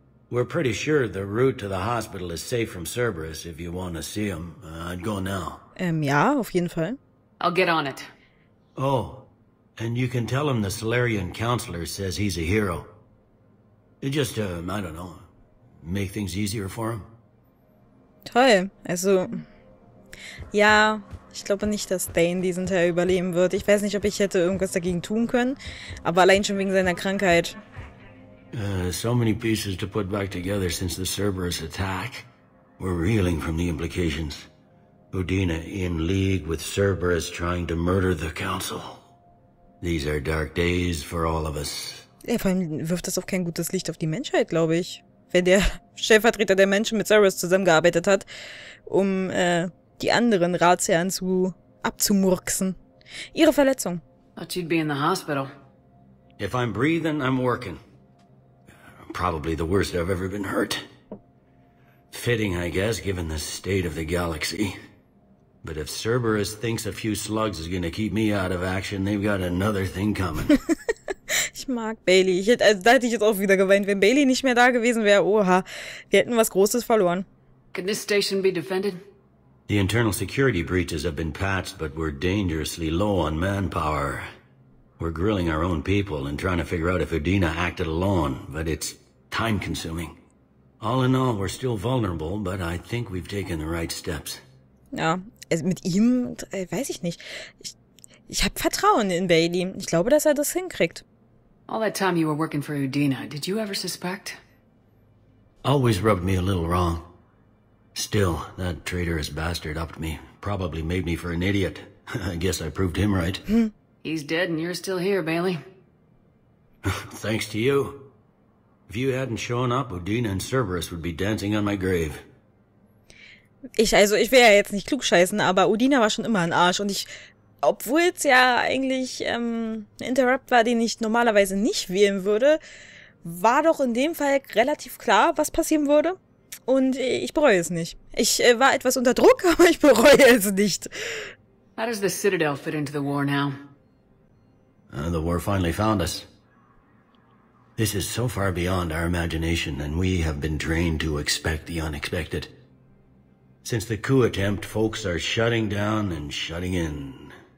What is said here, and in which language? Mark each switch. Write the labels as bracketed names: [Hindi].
[English] We're pretty sure the route to the hospital is safe from Cerberus if you want to see him. I'd go now. [German] Ja, auf jeden Fall. I'll get on it. [English] Oh, and you can tell him the Salarian counselor says he's a hero. Just to, I don't know, make things easier for him. [German] Toll. Also, ja, ich glaube nicht, dass Dane diesen Teil überleben wird. Ich weiß nicht, ob ich hätte irgendwas dagegen tun können, aber allein schon wegen seiner Krankheit. [English] So many pieces to put back together since the Cerberus attack. We're reeling from the implications. Odina in league with Cerberus trying to murder the Council. These are dark days for all of us. [German] Vor allem wirft das auch kein gutes Licht auf die Menschheit, glaube ich. Wenn der Stellvertreter der Menschen mit Cerberus zusammengearbeitet hat, um die anderen Ratsherren abzumurksen. Ihre Verletzung. [English] Thought you'd be in the hospital. If I'm breathing, I'm working. Probably the worst I've ever been hurt. Fitting, I guess, given the state of the galaxy. But if Cerberus thinks a few slugs is gonna keep me out of action, they've got another thing coming. [German] Ich mag Bailey. Da hätte ich jetzt auch wieder geweint. Wenn Bailey nicht mehr da gewesen wäre, oha, wir hätten was Großes verloren. [English] Can this station be defended? The internal security breaches have been patched, but we're dangerously low on manpower. We're grilling our own people and trying to figure out if Udina acted alone, but it's time-consuming. All in all, we're still vulnerable, but I think we've taken the right steps. [German] Ja, also mit ihm, weiß ich nicht. Ich habe Vertrauen in Bailey. Ich glaube, dass er das hinkriegt. [English] All that time you were working for Udina, did you ever suspect? Always rubbed me a little wrong. Still, that traitorous bastard upped me. Probably made me for an idiot. I guess I proved him right. He's dead and you're still here, Bailey. Thanks to you. If you hadn't shown up, Udina and Cerberus would be dancing on my grave. [German] Ich will ja jetzt nicht klugscheißen, aber Udina war schon immer ein Arsch. Und ich, obwohl es ja eigentlich ein Interrupt war, den ich normalerweise nicht wählen würde, war doch in dem Fall relativ klar, was passieren würde. Und ich bereue es nicht. Ich war etwas unter Druck, aber ich bereue es nicht. [English] How does the Citadel fit into the war now? The war finally found us. This is so far beyond our imagination, and we have been trained to expect the unexpected. Since the coup attempt, folks are shutting down and shutting in.